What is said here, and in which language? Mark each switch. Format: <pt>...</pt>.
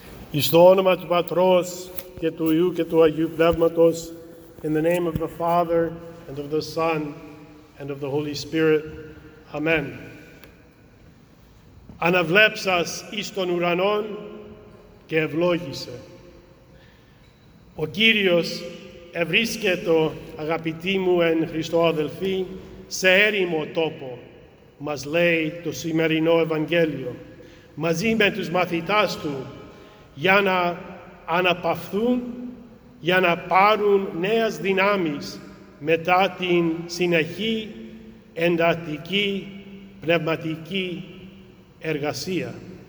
<el>Εις το όνομα του Πατρός και του Υιού και του Αγίου Πνεύματος.</el> <en>In the name of the Father, and of the Son, and of the Holy Spirit. Amen.</en> <el>Αναβλέψας εις τον ουρανόν και ευλόγησε. Ο Κύριος ευρίσκετο, αγαπητοί μου εν Χριστώ αδελφοί, σε έρημο τόπο, μας λέει το σημερινό Ευαγγέλιο, μαζί με τους μαθητάς του, για να αναπαυθούν, για να πάρουν νέες δυνάμεις μετά την συνεχή εντατική πνευματική εργασία.</el>